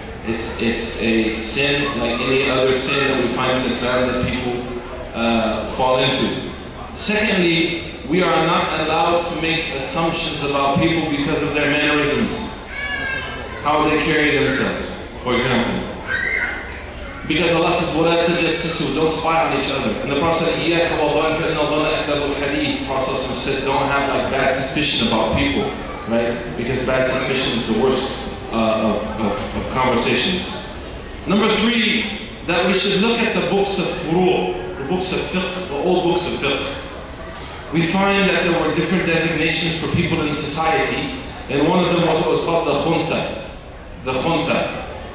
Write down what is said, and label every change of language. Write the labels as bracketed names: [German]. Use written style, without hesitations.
[English] It's a sin like any other sin that we find in Islam that people fall into. Secondly, we are not allowed to make assumptions about people because of their mannerisms, how they carry themselves, for example. Because Allah says, [Arabic] وَلَا تَجَسَّسُوا, [English] don't spy on each other. And the Prophet said, [Arabic] إِيَّكَ وَظَنَّ فَإِنَّ ظَنَّ أَكْثَرُ الْحَدِيثِ. [English] The Prophet said, don't have like bad suspicion about people, right? Because bad suspicion is the worst of conversations. Number three, that we should look at the books of furu', the books of fiqh, the old books of fiqh. We find that there were different designations for people in society, and one of them was what was called the khuntha. The khuntha.